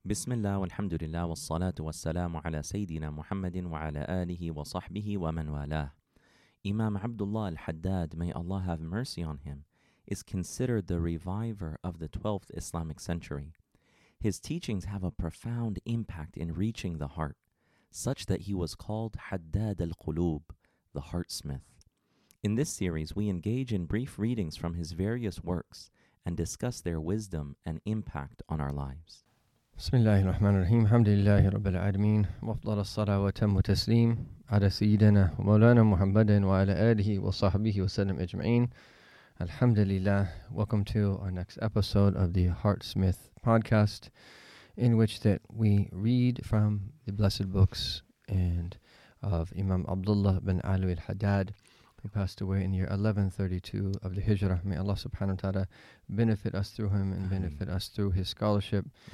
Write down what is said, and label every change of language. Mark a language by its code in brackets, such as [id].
[ar] بسم الله والحمد لله والصلاة والسلام على سيدنا محمد وعلى آله وصحبه ومن والاه. [en] Imam Abdullah al-Haddad, may Allah have mercy on him, is considered the reviver of the 12th Islamic century. His teachings have a profound impact in reaching the heart, such that he was called Haddad al-Qulub, the heartsmith. In this series, we engage in brief readings from his various works and discuss their wisdom and impact on our lives. [ar] بسم الله الرحمن الرحيم الحمد لله رب العالمين وافضل الصلاة وتم تسليم على سيدنا مولانا محمد وعلى آله وصحبه وسلم أجمعين الحمد لله. [en] Welcome to our next episode of the Heartsmith podcast, in which that we read from the blessed books and of Imam Abdullah bin Alwi al-Haddad, who passed away in the year 1132 of the Hijrah. May Allah subhanahu wa ta'ala benefit us through him and benefit us through his scholarship.